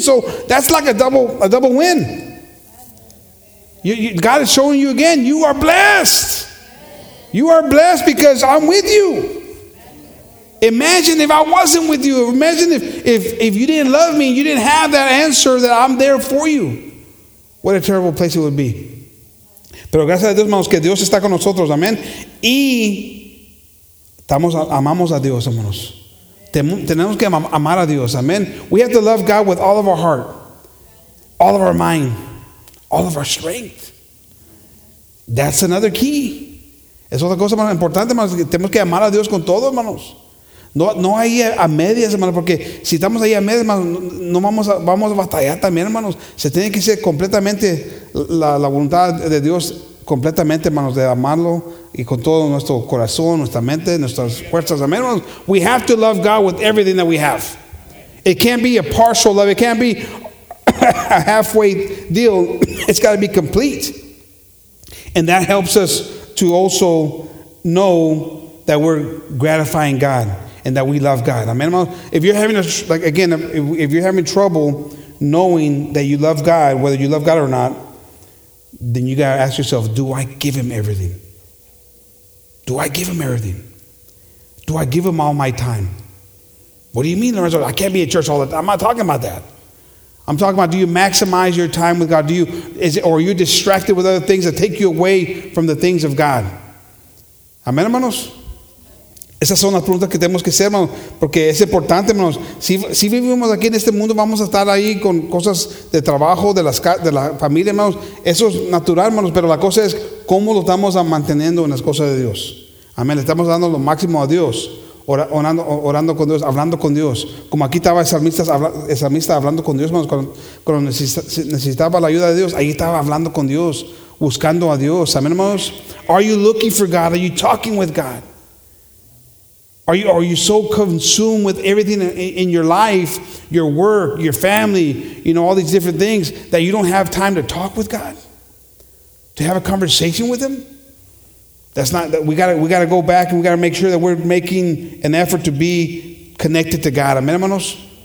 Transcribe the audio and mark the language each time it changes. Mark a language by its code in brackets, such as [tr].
[en] So that's like a double win. You, God is showing you again, you are blessed. You are blessed because I'm with you. Imagine if I wasn't with you. Imagine if you didn't love me, you didn't have that answer that I'm there for you. What a terrible place it would be. [es] Pero gracias a Dios, hermanos, que Dios está con nosotros. Amén. Y amamos a Dios, hermanos. Tenemos que amar a Dios. Amén. [en] We have to love God with all of our heart, all of our mind, all of our strength. That's another key. [es] Es otra cosa más importante, hermanos. Tenemos que amar a Dios con todo, hermanos. No hay a medias, hermanos, porque si estamos ahí a medias, hermanos, no vamos a batallar también, hermanos. Se tiene que ser completamente la voluntad de Dios, completamente, hermanos, de amarlo y con todo nuestro corazón, nuestra mente, nuestras fuerzas. Amén, hermanos. [en] We have to love God with everything that we have. It can't be a partial love. It can't be a halfway deal. It's got to be complete. And that helps us to also know that we're gratifying God. And that we love God. Amen. If you're having if you're having trouble knowing that you love God, whether you love God or not, then you gotta ask yourself, do I give him everything? Do I give him everything? Do I give him all my time? What do you mean, Lorenzo? I can't be in church all the time. I'm not talking about that. I'm talking about, do you maximize your time with God? Or are you distracted with other things that take you away from the things of God? [es] Amen, hermanos. Esas son las preguntas que tenemos que hacer, hermanos, porque es importante, hermanos. Si vivimos aquí en este mundo, vamos a estar ahí con cosas de trabajo, de la familia, hermanos. Eso es natural, hermanos, pero la cosa es cómo lo estamos manteniendo en las cosas de Dios. Amén. Le estamos dando lo máximo a Dios, orando con Dios, hablando con Dios. Como aquí estaba el salmista hablando con Dios, hermanos, cuando necesitaba la ayuda de Dios, ahí estaba hablando con Dios, buscando a Dios. [en] Amén, hermanos. Are you looking for God? Are you talking with God? Are you so consumed with everything in your life, your work, your family, you know, all these different things, that you don't have time to talk with God? To have a conversation with him? That's not that we gotta go back and we gotta make sure that we're making an effort to be connected to God. Amen, hermanos?